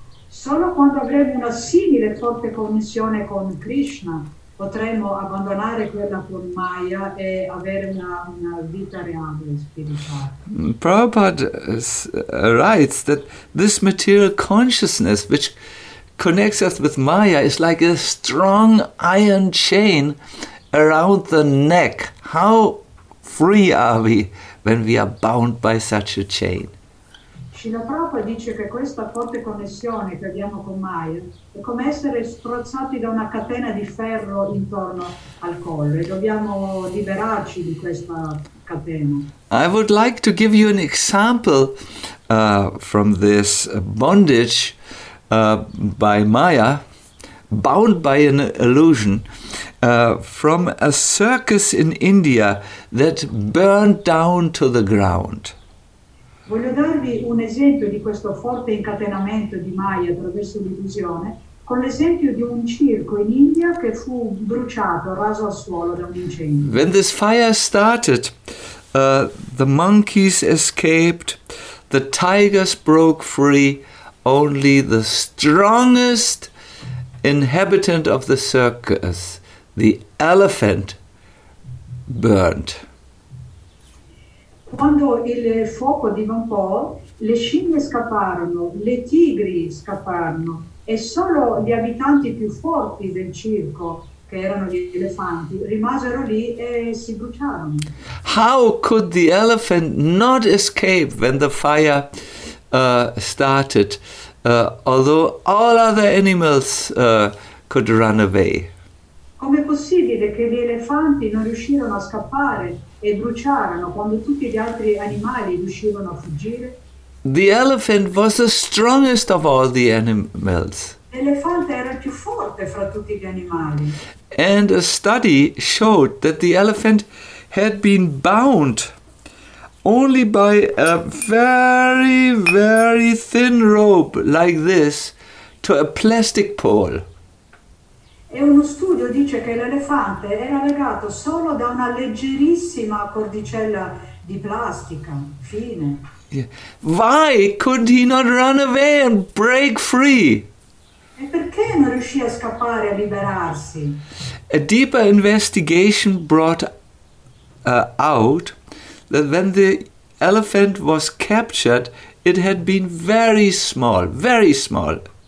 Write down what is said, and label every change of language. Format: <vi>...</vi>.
<it>Solo quando avremo una simile forte connessione con Krishna potremo abbandonare quella con Maya e avere una vita reale spirituale.</it> <en>Prabhupada writes that this material consciousness which connects us with Maya is like a strong iron chain around the neck. How free are we when we are bound by such a chain?</en> <it>Srila Prabhupada dice che questa forte connessione che abbiamo con Maya è come essere strozzati da una catena di ferro intorno al collo e dobbiamo liberarci di questa catena.</it> <en>I would like to give you an example from this bondage by Maya, bound by an illusion, from a circus in India that burned down to the ground.</en> <it>Voglio darvi un esempio di questo forte incatenamento di Maya attraverso l'illusione, con l'esempio di un circo in India che fu bruciato, raso al suolo da un incendio.</it> <en>When this fire started, the monkeys escaped, the tigers broke free. Only the strongest inhabitant of the circus, the elephant, burned.</en> <it>Quando il fuoco divampò, le scimmie scapparono, le tigri scapparono, e solo gli abitanti più forti del circo, che erano gli elefanti, rimasero lì e si bruciarono.</it> <en>How could the elephant not escape when the fire started? Although all other animals could run away.</en> <it>Com'è possibile che gli elefanti non riuscirono a scappare e bruciarono quando tutti gli altri animali riuscivano a fuggire?</it> <en>The elephant was the strongest of all the animals.</en> <it>L'elefante era più forte fra tutti gli animali.</it> <en>And a study showed that the elephant had been bound only by a very, very thin rope like this to a plastic pole.</en> <it>E uno studio dice che l'elefante era legato solo da una leggerissima cordicella di plastica, fine. Yeah.</it> <en>Why could he not run away and break free?</en> <it>E perché non riuscì a scappare e a liberarsi?</it> <en>A deeper investigation brought out that when the elephant was captured, it had been very small, very small.</en>